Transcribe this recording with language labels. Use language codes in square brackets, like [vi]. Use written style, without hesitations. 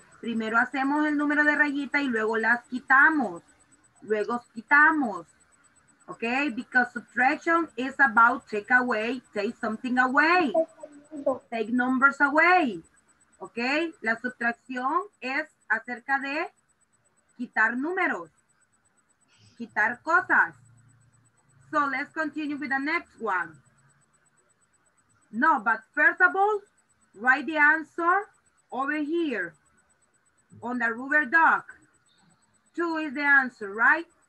[es] Primero hacemos el número de rayita y luego las quitamos. Luego quitamos. [en] Okay, because subtraction is about take away, take something away. Take numbers away. [es] Okay, la subtracción es acerca de quitar números, quitar cosas. [en] So let's continue with the next one. No, but first of all, write the answer over here on the rubber duck. 2 is the answer, right?